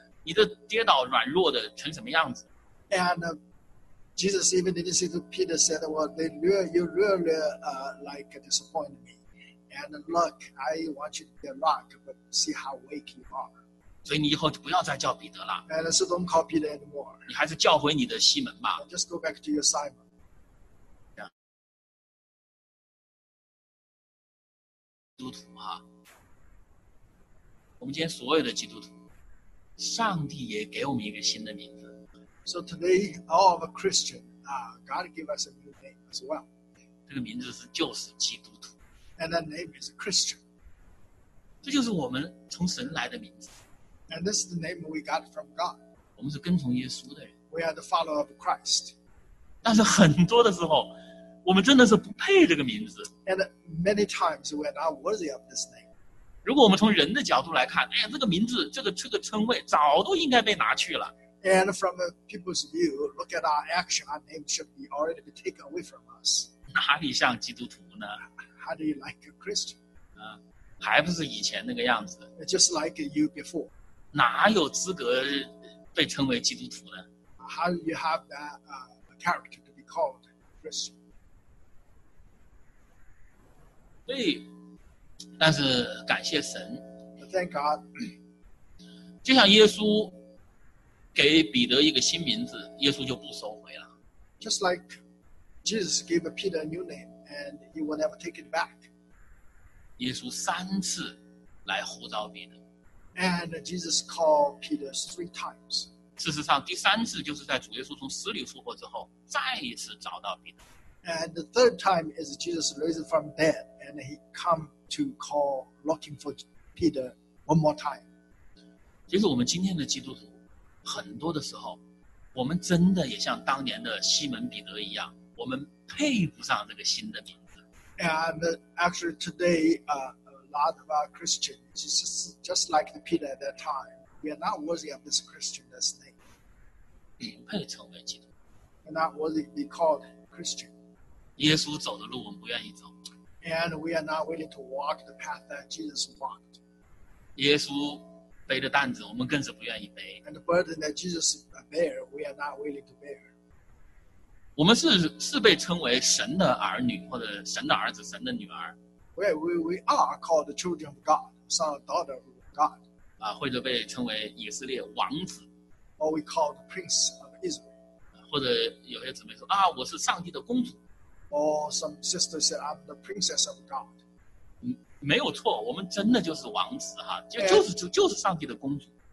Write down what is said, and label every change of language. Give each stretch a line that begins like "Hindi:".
Chinese: 耶稣都没有对彼得说：“哎呀，你真是辜负我对你的期望，我让你成为坚固的石头，你看你这跌倒软弱的成什么样子。”
English: And Jesus even didn't say to Peter, said, well, you really disappoint me. And look, I want you to be a rock, but see how weak you are.
Chinese: 所以你以后就不要再叫彼得了。
English: And so don't call Peter anymore.
Chinese: 你还是叫回你的西门吧。
English: Just go back to your Simon. Yeah.
Chinese: 基督徒啊, 我们今天所有的基督徒, 上帝也给我们一个新的名字。
English: So today, all of a Christian, God gave us a new name as well.
Chinese: 这个名字是救世基督徒。
English: And that name is a Christian.
Chinese: 这就是我们从神来的名字。
English: And this is the name we got from God.
Chinese: 我们是跟从耶稣的人。
English: We are the follower of Christ.
Chinese: 但是很多的时候, 我们真的是不配这个名字。
English: And many times we are not worthy of this name.
Chinese: 如果我们从人的角度来看, 哎呀, 这个名字, 这个称谓, 早都应该被拿去了。
English: And from a people's view, look at our action, our name should be already be taken away from us.
Chinese: 哪里像基督徒呢?
English: How do you like a Christian?
Chinese: 还不是以前那个样子。
English: Just like you before.
Chinese: 哪有资格被称为基督徒呢?
English: How do you have that character to be called Christian?
Chinese: 对，但是感谢神。
English: Thank God.
Chinese: 就像耶稣 给彼得一个新名字，耶稣就不收回了。
English: Just like Jesus gave Peter a new name, and he will never take it back.
Chinese: 耶稣三次来呼召彼得。
English: And Jesus called Peter three times.
Chinese: 事实上，第三次就是在主耶稣从死里复活之后，再一次找到彼得。
English: And the third time is Jesus raised from dead, and he come to call looking for Peter one more time.
Chinese: 其实我们今天的基督徒，很多的时候，我们真的也像当年的西门彼得一样，我们配不上这个新的名字。
English: And actually today, a lot of our Christians, just like Peter at that time, we are not worthy of this Christian's name.
Chinese: 不配称为基督徒。
English: We're not worthy to be called Christian.
Chinese: 耶稣走的路我们不愿意走。
English: And we are not willing to walk the path that Jesus walked.
Chinese: 耶稣背的担子我们更是不愿意背。
English: And the burden that Jesus bear, we are not willing to bear.
Chinese: 我们 是被称为神的儿女或者神的儿子神的女儿。
English: We are called the children of God, son or daughter of God.
Chinese: 或者被称为以色列王子。
English: Or we call the prince of Israel.
Chinese: 或者有些姊妹说啊我是上帝的公主。
English: Or some sisters said, I'm the princess of God.
Chinese: 没有错我们真的就是王子哈 就是上帝的公主。